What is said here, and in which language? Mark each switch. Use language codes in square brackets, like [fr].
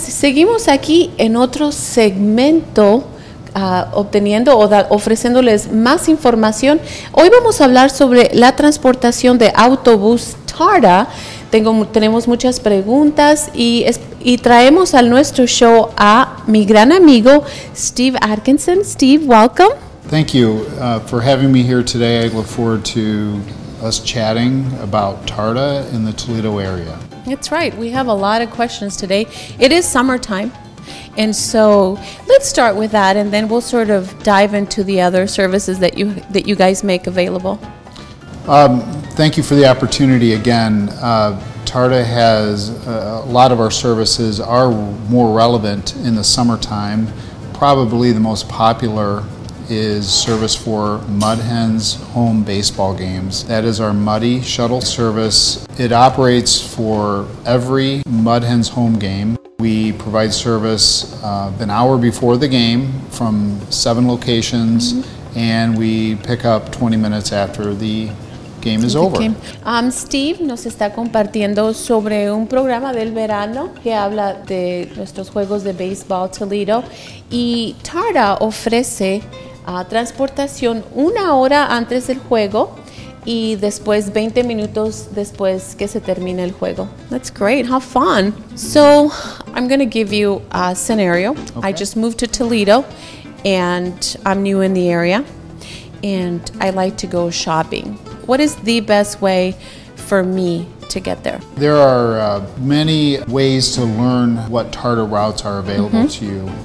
[es] Seguimos aquí en otro segmento obteniendo o ofreciéndoles más información. Hoy vamos a hablar sobre la transportación de autobús TARDA. Tenemos muchas preguntas y traemos a nuestro show a mi gran amigo Steve Atkinson. [en] Steve, welcome. Thank you for having me here today. I look forward to us chatting about TARDA in the Toledo area. That's right. We have a lot of questions today. It is summertime, and so let's start with that, and then we'll sort of dive into the other services that you guys make available. Thank you for the opportunity again. TARDA has a lot of our services are more relevant in the summertime. Probably the most popular is service for Mud Hens home baseball games. That is our Muddy shuttle service. It operates for every Mud Hens home game. We provide service an hour before the game from seven locations, and we pick up 20 minutes after the game is over. [es] Steve nos está compartiendo sobre un programa del verano que habla de nuestros juegos de baseball Toledo, y TARDA ofrece transportación una hora antes del juego y después 20 minutos después que se termine el juego. [en] That's great. How fun. So, I'm going to give you a scenario. Okay. I just moved to Toledo and I'm new in the area and I like to go shopping. What is the best way for me to get there? There are many ways to learn what TARDA routes are available to you.